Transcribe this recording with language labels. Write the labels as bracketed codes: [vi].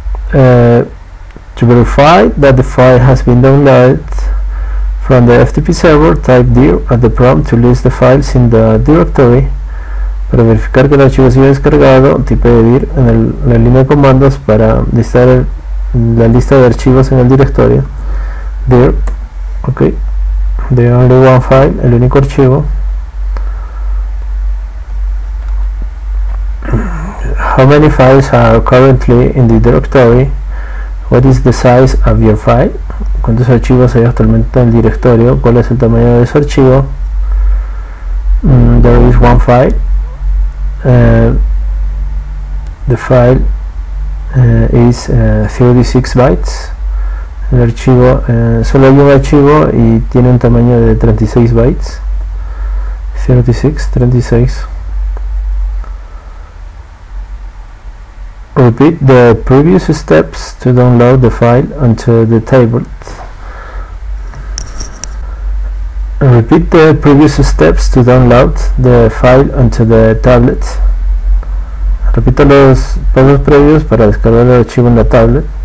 [en] To verify that the file has been downloaded from the FTP server, type dir at the prompt to list the files in the directory. [es] Para verificar que el archivo ha sido descargado, tipe de dir en la línea de comandos para listar la lista de archivos en el directorio. [en] Dir, ok, the only one file, [es] el único archivo. [en] How many files are currently in the directory? What is the size of your file? [es] ¿Cuántos archivos hay actualmente en el directorio? ¿Cuál es el tamaño de ese archivo? [en] There is one file. The file is 36 bytes. [es] El archivo, solo hay un archivo y tiene un tamaño de 36 bytes. 36. [en] Repeat the previous steps to download the file onto the tablet. Repeat the previous steps to download the file onto the tablet. [es] Repito los pasos previos para descargar el archivo en la tablet.